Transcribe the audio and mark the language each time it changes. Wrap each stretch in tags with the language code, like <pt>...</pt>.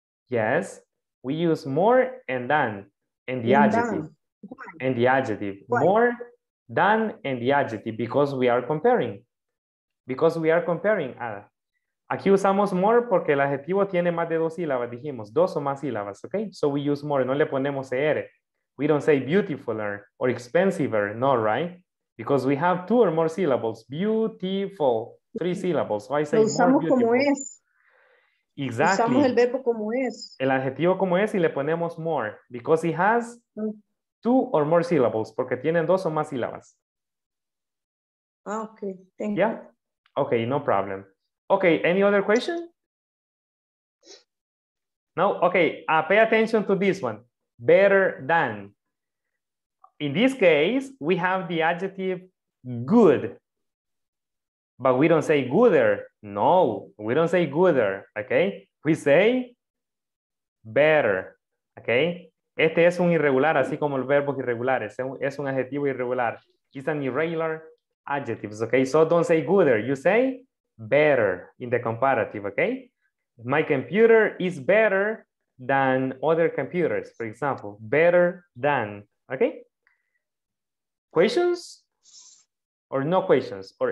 <en>Yes, we use more and than and the adjective. And the adjective. Why? More than and the adjective because we are comparing. Because we are comparing.</en> <es>Aquí usamos more porque el adjetivo tiene más de dos sílabas, dijimos, dos o más sílabas, okay?</es> <en>So we use more,</en> <es>no le ponemos er.</es> <en>We don't say beautifuler or expensiver, no, right? Because we have two or more syllables, beautiful, three syllables. So I say</en> <es>usamos</es> <en>more</en> <es>como es.</es> <en>Exactly.</en> <es>Usamos el verbo como es. El adjetivo como es y le ponemos more</es> <en>because it has two or more syllables,</en> <es>porque tienen dos o más sílabas.</es> <en>Ah, okay, thank you. Yeah, okay, no problem. Okay, any other question? No, okay, pay attention to this one. Better than. In this case, we have the adjective good, but we don't say gooder. No, we don't say gooder, okay? We say better, okay?</en> <es>Este es un irregular, así como los verbos irregulares. Es un adjetivo irregular.</es> <en>It's an irregular adjective, okay? So don't say gooder, you say better in the comparative, okay? My computer is better than other computers, for example. Better than, okay? Questions or no questions or</en>